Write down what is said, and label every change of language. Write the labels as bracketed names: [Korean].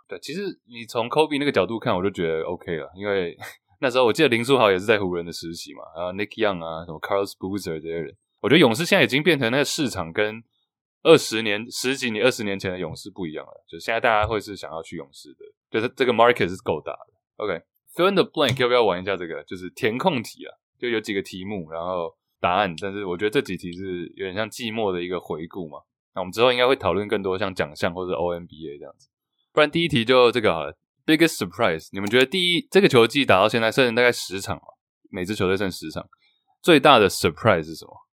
[Chinese] 对，其实你从 Kobe 那个角度看我就觉得 OK 了，因为那时候我记得林书豪也是在湖人的时期嘛，然后 Nick Young 啊，什么 Carlos Boozer 这些人。我觉得勇士现在已经变成那个市场跟十几年、二十年前的勇士不一样了，就现在大家会是想要去勇士的，就是这个 market 是够大的。 [English] OK, fill in the blank, [Chinese] 要不要玩一下这个？就是填空题啊，就有几个题目，然后答案。但是我觉得这几题是有点像寂寞的一个回顾嘛。那我们之后应该会讨论更多像奖项或者 OMBA 这样子。不然第一题就这个好了 ， [English] biggest surprise， [Chinese] 你们觉得第一这个球季打到现在剩大概十场嘛，每支球队剩十场，最大的 surprise 是什么？